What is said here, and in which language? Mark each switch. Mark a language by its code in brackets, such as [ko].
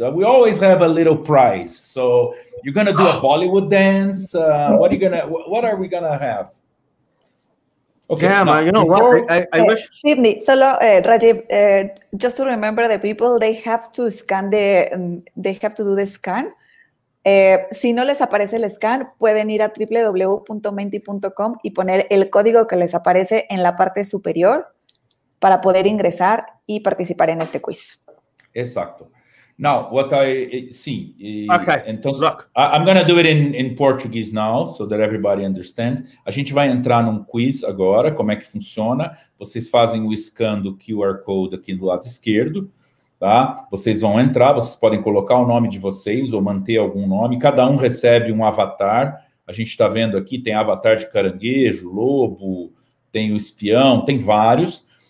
[en] We always have a little prize. So you're gonna do a Bollywood dance. What are we gonna have? Okay, yeah, now, I wish Sydney. Solo Rajiv, just to remember the people, they have to scan the scan. [es] Si no les aparece el scan, pueden ir a www.menti.com y poner el código que les aparece en la parte superior para poder ingresar y participar en este quiz. [en] Exacto. Now, what I see. Okay. [es] Entonces, look. [en] I'm going to do it in Portuguese now, so that everybody understands. [pt] A gente vai entrar num quiz agora, como é que funciona. Vocês fazem o scan do QR code aqui do lado esquerdo. Tá? Vocês vão entrar, vocês podem colocar o nome de vocês ou manter algum nome. Cada um recebe um avatar. A gente está vendo aqui, tem avatar de caranguejo, lobo, tem o espião, tem vários.